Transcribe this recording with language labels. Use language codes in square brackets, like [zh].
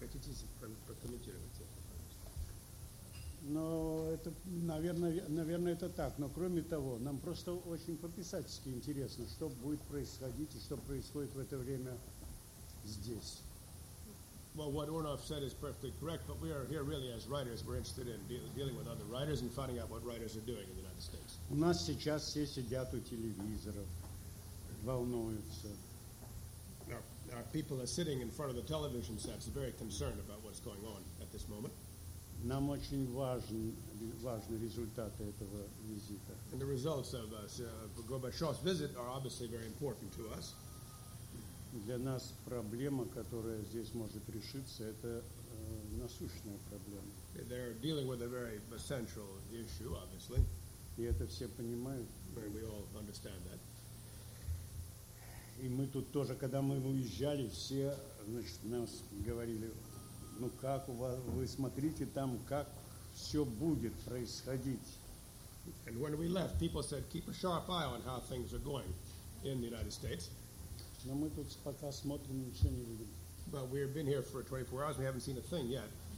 [ru] Хотите прокомментировать это? Ну, это, наверное, это так. Но кроме того, нам просто очень по-писательски интересно, что будет происходить и что происходит в это время здесь. [en] Well, what Ornoff said is perfectly correct, but we are here really as writers. We're interested in dealing with other writers and finding out what writers are doing in the United States. [ru] У нас сейчас все сидят у телевизоров, волнуются. [en] Our people are sitting in front of the television sets, very concerned about what's going on at this moment. [ru] Нам очень важны результаты этого визита. [en] And the results of Gorbachev's visit are obviously very important to us. [ru] Для нас проблема, которая здесь может решиться, это насущная проблема. [en] They're dealing with a very central issue, obviously. [ru] И это все понимают. [en] But we all understand that. [ru] И мы тут тоже, когда мы уезжали, все, значит, нас говорили, ну как у вас, вы смотрите там, как все будет происходить. [en] And when we left, people said, keep a sharp eye on how things are going in the United States. [ru] Но мы тут пока смотрим, ничего не видим. [en] But we've been here for 24 hours, we haven't seen a thing yet.